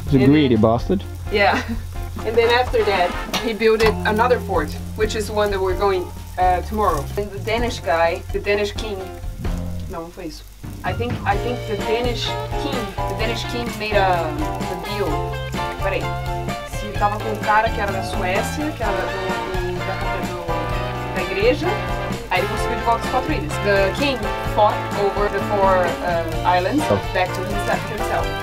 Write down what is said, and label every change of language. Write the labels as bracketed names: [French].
[English] He's a greedy bastard. Yeah. And then after that, he built another fort, which is one that we're going tomorrow. And the Danish guy, the Danish king, no, please. I think the Danish king made a deal. [Portuguese] Peraí, se tava com um cara que era da Suécia, que era da igreja, aí ele conseguiu de volta os quatro ilhas. [English] The king fought over the four islands back to himself.